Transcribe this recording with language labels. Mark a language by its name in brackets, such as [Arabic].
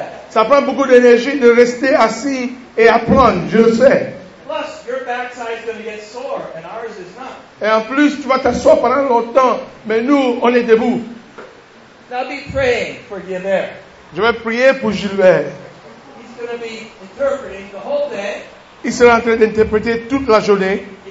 [French] Ça prend beaucoup d'énergie de rester assis et apprendre, je le sais. [English] Plus, your backside is going to get sore and ours is not. [French] Et en plus, tu vas t'asseoir pendant longtemps, mais nous, on est debout. [English] Now be praying for Gilbert. [French] Je vais prier pour Gilbert. [English] He's going to be interpreting the whole day. [French] Il sera en train d'interpréter toute la journée.